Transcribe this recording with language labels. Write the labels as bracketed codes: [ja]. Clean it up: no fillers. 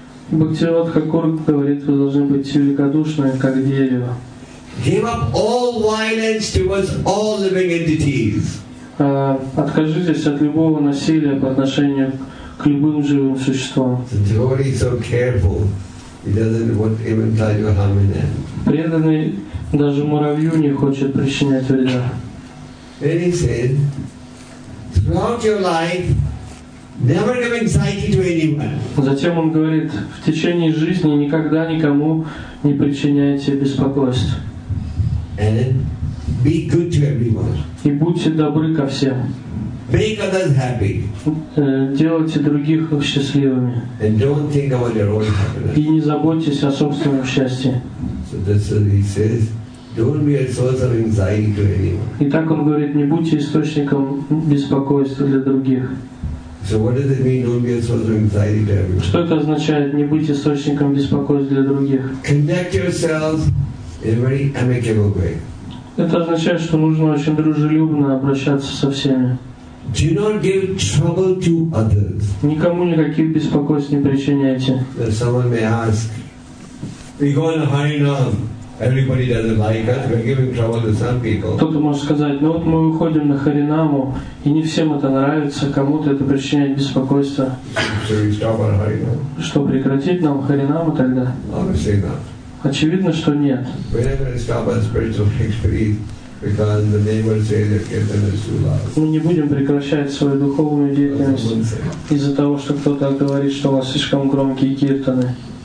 [ru] Бхактивинода Тхакур говорит, вы должны быть великодушны, как дерево. [en] Give up all violence towards all living entities. [ru] Откажитесь от любого насилия по отношению к любым живым существам. [en] The devotee is so careful; he doesn't want to even touch your harm in them. [ru] Преданный даже муравью не хочет причинять вреда. [en] Then he said, throughout your life, never give anxiety to anyone. [ru] Затем он говорит, в течение жизни никогда никому не причиняйте беспокойств. [en] And be good to everyone. [ru] И будьте добры ко всем. [en] Make others happy. [ru] Делайте других счастливыми. [en] And don't think about your own happiness. [ru] И не заботьтесь о собственном счастье. [en] So that's what he says. Don't be a source of anxiety to anyone. [ru] И так он говорит, не будьте источником беспокойства для других. [en] So what does it mean, don't be a source of anxiety to everyone? [ru] Что это означает, не быть источником беспокойства для других? [en] Connect yourselves. [ru] Это означает, что нужно очень дружелюбно обращаться со всеми. [en] Do not give trouble to others. [ru] Никому никаких беспокойств не причиняйте. [en] That someone may ask, we go in Harinam, everybody doesn't like us, we're giving trouble to some people. [ru] Кто-то может сказать, ну вот мы выходим на Харинаму, и не всем это нравится, кому-то это причиняет беспокойство. [en] Should we stop on Harinam? [ru] Что, прекратить нам Харинаму тогда? [en] Obviously not. [ru] Очевидно, что нет. Мы не будем прекращать свою духовную деятельность из-за того, что кто-то говорит, что у вас слишком громкие киртаны.